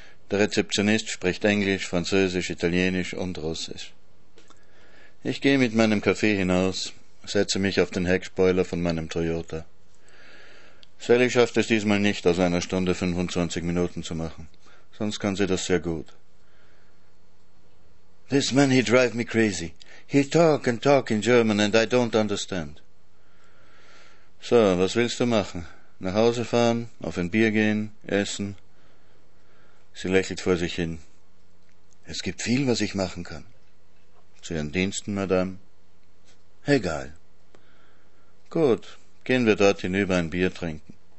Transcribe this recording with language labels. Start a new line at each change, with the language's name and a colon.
German: Der Rezeptionist spricht Englisch, Französisch, Italienisch und Russisch. Ich gehe mit meinem Kaffee hinaus, setze mich auf den Heckspoiler von meinem Toyota. Sally schafft es diesmal nicht, aus einer Stunde 25 Minuten zu machen. Sonst kann sie das sehr gut.
English: This man, he drive me crazy. He talk and talk in German and I don't understand.
German: So, was willst du machen? Nach Hause fahren, auf ein Bier gehen, essen? Sie lächelt vor sich hin. Es gibt viel, was ich machen kann. Zu Ihren Diensten, Madame? Egal. Gut. Gehen wir dort hinüber ein Bier trinken.